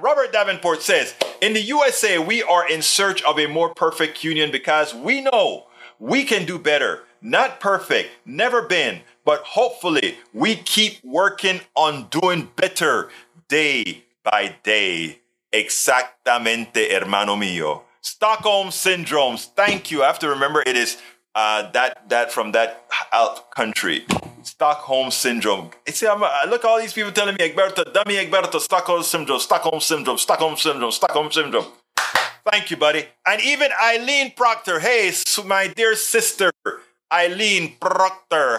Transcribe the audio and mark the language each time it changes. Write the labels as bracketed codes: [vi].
[en] Robert Davenport says, in the USA, we are in search of a more perfect union because we know we can do better. Not perfect, never been, but hopefully we keep working on doing better day by day. [es] Exactamente, hermano mío. [en] Stockholm Syndromes, thank you. I have to remember it is that from that out country. Stockholm Syndrome. See, look at all these people telling me, Egberto, dummy Egberto, Stockholm Syndrome, Stockholm Syndrome, Stockholm Syndrome, Stockholm Syndrome. Thank you, buddy. And even Eileen Proctor. Hey, my dear sister, Eileen Proctor.